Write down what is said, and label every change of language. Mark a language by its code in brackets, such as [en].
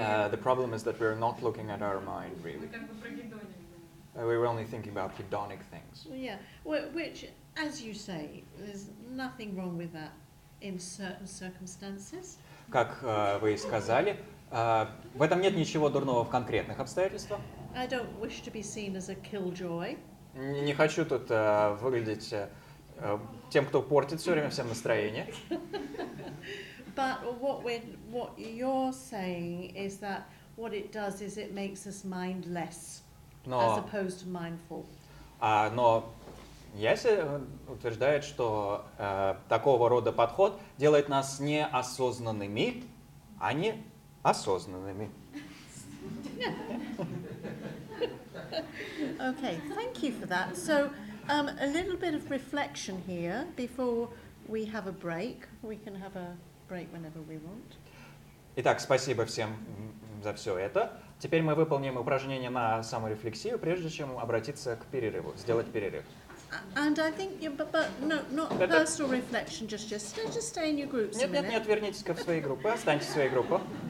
[en] The problem is that we're not looking at our mind, really. We were only thinking about hedonic things. Yeah, which, as you say, there's nothing wrong with that in certain circumstances. [ru] Как вы сказали, в этом нет ничего дурного в конкретных обстоятельствах. [en] I don't wish to be seen as a killjoy. [ru] Не хочу тут выглядеть тем, кто портит все время всем настроение. [en] But what you're saying is that what it does is it makes us mindless, as opposed to mindful. [ru] Но Яси утверждает, что такого рода подход делает нас неосознанными, а не осознанными. [en] Okay, thank you for that. So a little bit of reflection here before we have a break. We can have a break whenever we want. [ru] Итак, спасибо всем за все это. Теперь мы выполним упражнение на саморефлексию, прежде чем обратиться к перерыву, сделать перерыв. [en] And I think, not personal reflection, just stay in your groups. [ru] Нет, вернитесь в свои группы, останьтесь в своей группе.